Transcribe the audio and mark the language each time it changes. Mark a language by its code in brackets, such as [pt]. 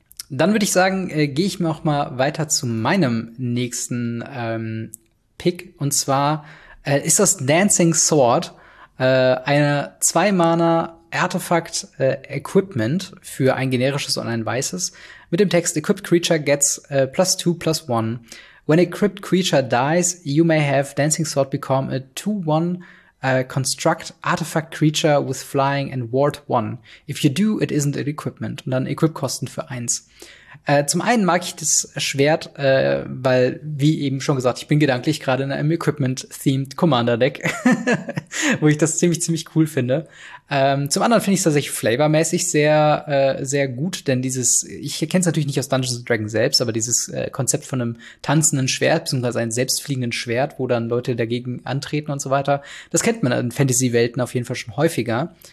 [de] Dann würde ich sagen, gehe ich mir auch mal weiter zu meinem nächsten Pick. Und zwar ist das Dancing Sword eine 2-Mana Artifact Equipment für ein generisches und ein weißes. Mit dem Text, [en] Equipped Creature gets +2/+1. When a Equipped Creature dies, you may have Dancing Sword become a 2/1 Construct Artifact Creature with Flying and Ward 1. If you do, it isn't an Equipment. [de] Und dann Equip-Kosten für 1. Zum einen mag ich das Schwert, weil, wie eben schon gesagt, ich bin gedanklich gerade in einem Equipment-themed Commander-Deck, wo ich das ziemlich, ziemlich cool finde. Zum anderen finde ich es tatsächlich flavormäßig sehr, sehr gut, denn dieses, ich kenne es natürlich nicht aus Dungeons & Dragons selbst, aber dieses Konzept von einem tanzenden Schwert, beziehungsweise einem selbstfliegenden Schwert, wo dann Leute dagegen antreten und so weiter, das kennt man in Fantasy-Welten auf jeden Fall schon häufiger.